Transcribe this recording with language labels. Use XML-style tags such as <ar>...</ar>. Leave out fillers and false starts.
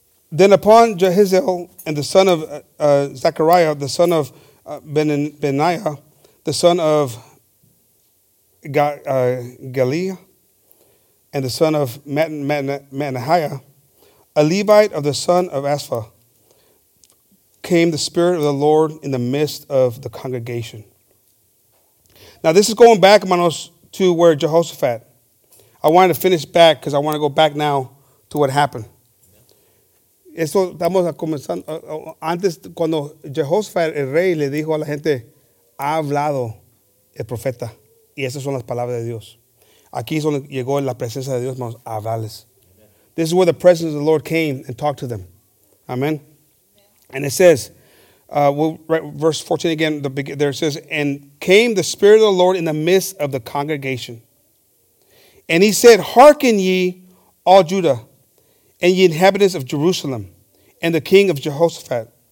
<en>Then upon Jehiel and the son of Zechariah, the son of Benaiah, the son of Galiah, and the son of Manahiah, a Levite of the son of Asaph, came the Spirit of the Lord in the midst of the congregation. Now this is going back, manos, to where Jehoshaphat. I wanted to finish back because I want to go back now to what happened.</en> <es>Eso estamos comenzando. Antes, cuando Jehoshaphat, el rey, le dijo a la gente, ha hablado el profeta. Y esas son las palabras de Dios. Aquí es donde llegó la presencia de Dios, hermanos, a hablarles.</es> <en>This is where the presence of the Lord came and talked to them. Amen. And it says, verse 14 again, there it says, and came the Spirit of the Lord in the midst of the congregation. And he said, hearken ye, all Judah, and ye inhabitants of Jerusalem, and the king of Jehoshaphat.</en>